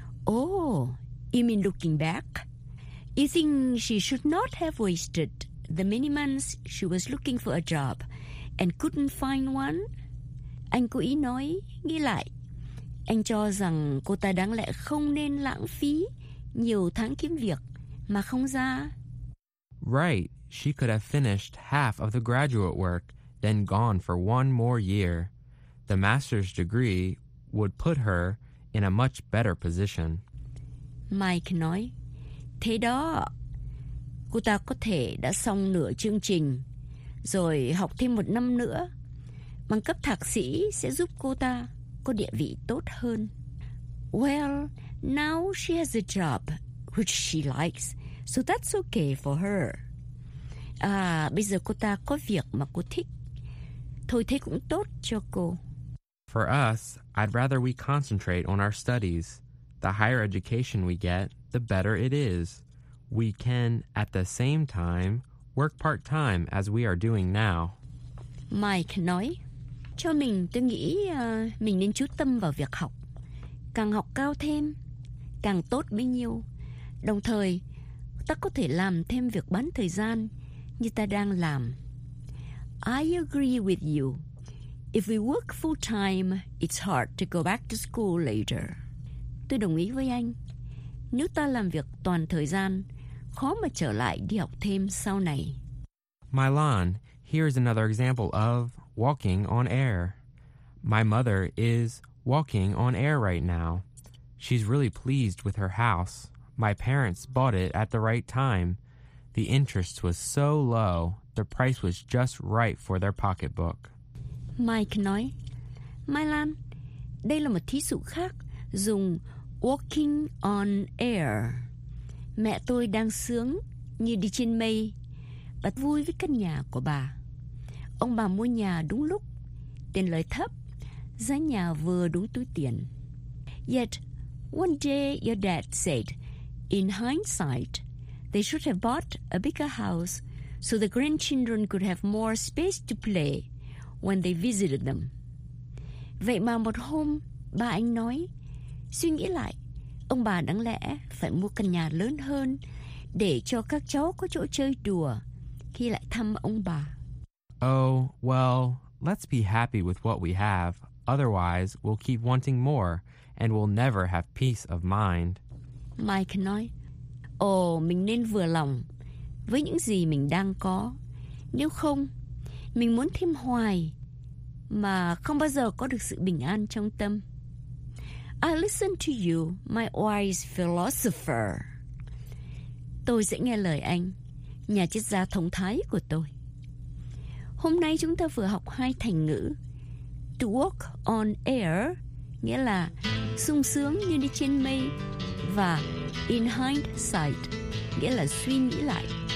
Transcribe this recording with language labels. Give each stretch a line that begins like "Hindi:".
English: Oh, you mean looking back? You think she should not have wasted the many months she was looking for a job and couldn't find one?
Vietnamese: Anh cố ý nói, nghĩ lại. Anh cho rằng cô ta đáng lẽ không nên lãng phí nhiều tháng kiếm việc mà không ra.
English: Right, she could have finished half of the graduate work, then gone for one more year. The master's degree would put her in a much better position.
Vietnamese: Mike nói, thế đó, cô ta có thể đã xong nửa chương trình, rồi học thêm một năm nữa. Bằng cấp thạc sĩ sẽ giúp cô ta có địa vị tốt hơn.
English: Well, now she has a job which she likes, so that's okay for her.
Vietnamese: À, bây giờ cô ta có việc mà cô thích. Thôi thế cũng tốt cho cô.
English: For us, I'd rather we concentrate on our studies. The higher education we get, the better it is. We can, at the same time, work part-time as we are doing now.
Vietnamese: Mike nói, cho mình, tôi nghĩ mình nên chú tâm vào việc học. Càng học cao thêm, càng tốt bấy nhiêu. Đồng thời, ta có thể làm thêm việc bán thời gian như ta đang làm.
English: I agree with you. If we work full-time, it's hard to go back to school later.
Vietnamese: Tôi đồng ý với anh. Nếu ta làm việc toàn thời gian, khó mà trở lại đi học thêm sau này.
English: Milan, here is another example of walking on air. My mother is walking on air right now. She's really pleased with her house. My parents bought it at the right time. The interest was so low, the price was just right for their pocketbook.
Vietnamese: Mike nói, Milan, đây là một thí dụ khác dùng
English: walking on air.
Vietnamese: Mẹ tôi đang sướng như đi trên mây, bà vui với căn nhà của bà. Ông bà mua nhà đúng lúc, tiền lời thấp, giá nhà vừa đúng túi tiền.
English: Yet, one day your dad said, in hindsight, they should have bought a bigger house so the grandchildren could have more space to play when they visited them.
Vietnamese: Vậy mà một hôm, bà anh nói, suy nghĩ lại, ông bà đáng lẽ phải mua căn nhà lớn hơn để cho các cháu có chỗ chơi đùa khi lại thăm ông bà.
English: Oh, well, let's be happy with what we have. Otherwise, we'll keep wanting more and we'll never have peace of mind.
Vietnamese: Mike nói, mình nên vừa lòng với những gì mình đang có. Nếu không, mình muốn thêm hoài mà không bao giờ có được sự bình an trong tâm.
English: I listen to you, my wise philosopher.
Vietnamese: Tôi sẽ nghe lời anh, nhà triết gia thông thái của tôi. Hôm nay chúng ta vừa học hai thành ngữ.
English: To walk on air,
Vietnamese: nghĩa là sung sướng như đi trên mây. Và
English: in hindsight,
Vietnamese: nghĩa là suy nghĩ lại.